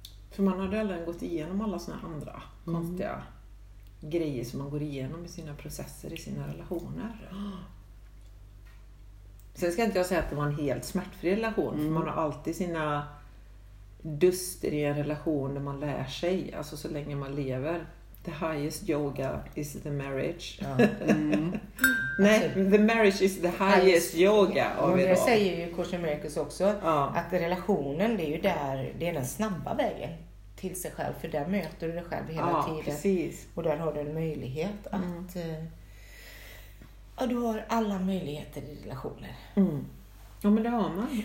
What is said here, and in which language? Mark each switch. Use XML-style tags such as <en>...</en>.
<sv>För man hade aldrig gått igenom alla sådana andra konstiga grejer som man går igenom i sina processer, i sina relationer. Sen ska inte jag säga att det var en helt smärtfri relation, för man har alltid sina duster i en relation där man lär sig, alltså så länge man lever.</sv> <en>The highest yoga is the marriage. Nej, the marriage is the highest yoga.</en> <sv>Men det säger ju Course in Miracles också. Att relationen, det är ju där, det är den snabba vägen till sig själv. För där möter du dig själv hela tiden. Precis. Och där har du en möjlighet att... Ja, du har alla möjligheter i relationer. Mm. Ja, men det har man.</sv>